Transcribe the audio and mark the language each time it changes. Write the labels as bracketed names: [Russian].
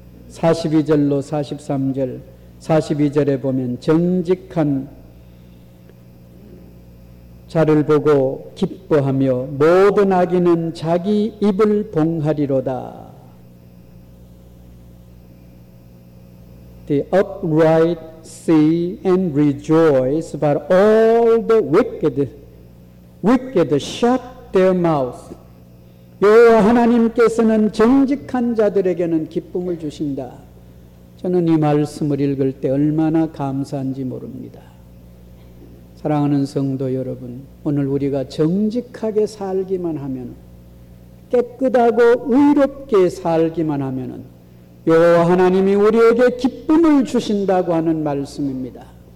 [Korean] 42절로 43절, 42절에 보면 정직한, 자를 보고 기뻐하며 모든 아기는 자기 입을 봉하리로다. [English] The upright see and rejoice, but all the wicked shut their mouth. [Korean] 여호와 하나님께서는 정직한 자들에게는 기쁨을 주신다. 저는 이 말씀을 읽을 때 얼마나 감사한지 모릅니다. 사랑하는 성도 여러분, 오늘 우리가 정직하게 살기만 하면, 깨끗하고 의롭게 살기만 하면 여호와 하나님이 우리에게 기쁨을 주신다고 하는 말씀입니다.